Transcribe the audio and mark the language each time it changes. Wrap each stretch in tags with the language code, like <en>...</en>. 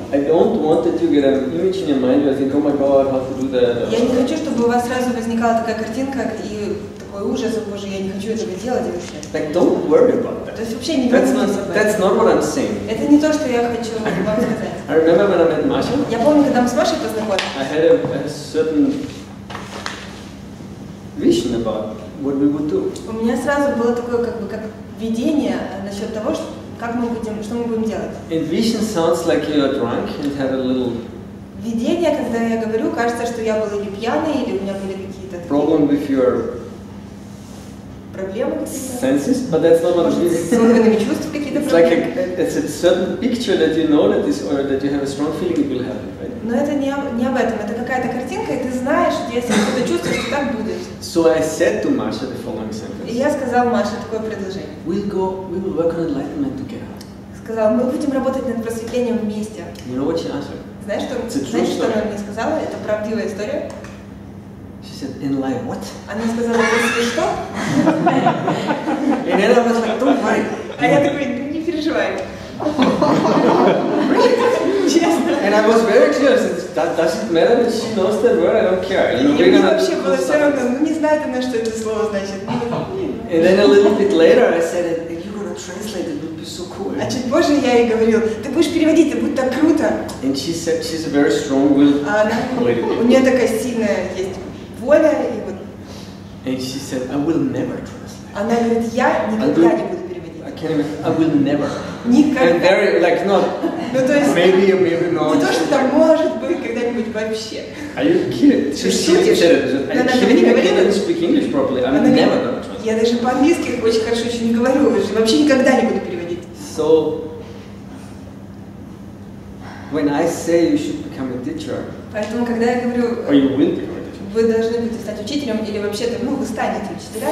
<en>I don't want that you get an image in your mind. You think, oh my God, how to do that.</en> <ru>Я не хочу, чтобы у вас сразу возникала такая картинка и такой ужас, о боже, я не хочу этого делать вообще.</ru> <en>Like, don't worry about that.</en> <ru>То есть вообще не думайте об этом.</ru> <en>That's not what I'm saying.</en> <ru>Это не то, что я хочу вам сказать.</ru> <en>I remember when I met Masha.</en> <ru>Я помню, когда мы с Машей познакомились.</ru> <en>I had a certain vision about what we would do.</en> <ru>У меня сразу было такое как бы как видение насчет того, что как мы будем, что мы будем делать?</ru> <en>And vision sounds like you are drunk and have a little.</en> <ru>Видение, когда я говорю, кажется, что я был или пьяный, или у меня были какие-то.</ru> <en>Problem with your.</en> <ru>Проблемы какие-то.</ru> <en>Senses, but that's not what it is.</en> <ru>С органами чувств какие-то проблемы.</ru> <en>It's like a certain picture that you know that is, or that you have a strong feeling it will happen, right?</en> <ru>Но это не об этом. Это какая-то картинка, и ты знаешь, что если что-то чувствуешь, так будет.</ru> <en>So I said to Masha the following sentence.</en> <ru>И я сказал Маше такое предложение.</ru> <en>We'll work on enlightenment together.</en> <ru>Сказал, мы будем работать над просветлением вместе.</ru> <en>You know what she answered?</en> <ru>Знаешь, что она мне сказала? Это правдивая история.</ru> <en>She said, enlighten what?</en> <ru>Она сказала, если что?</ru> <en>And then I was like, don't worry.</en> <ru>А я такой, не переживай.</ru> <en>And I was very clear. I said, that doesn't matter that she knows that word. I don't care. You know,</en> <ru>мне вообще было все равно. Ну не знает она, что это слово значит.</ru> <en>And then a little bit later, I said, if you're gonna translate, it would be so cool.</en> <ru>А чуть позже я ей говорил, ты будешь переводить, это будет так круто.</ru> <en>And she said, she's a very strong-willed lady.</en> <ru>У нее такая сильная есть воля и вот.</ru> <en>And she said, I will never translate.</en> <ru>Она говорит, я никогда не буду переводить.</ru> <en>I can't even. I will never.</en> <ru>Никогда.</ru> <en>And very like not.</en> <ru>Ну, то есть,</ru> <en>maybe not.</en> <ru>Не то, что там может быть когда-нибудь вообще.</ru> <en>Are you kidding?</en> <ru>Ты шутишь? Она не говорит.</ru> <en>I can't speak English properly. I'm never gonna try.</en> <ru>Я даже по-английски очень хорошо еще не говорю. Вообще никогда не буду переводить.</ru> <en>So, when I say you should become a teacher,</en> <ru>поэтому, когда я говорю,</ru> <en>or you will become a teacher,</en> <ru>вы должны будете стать учителем, или вообще-то, ну, вы станете учителем.</ru>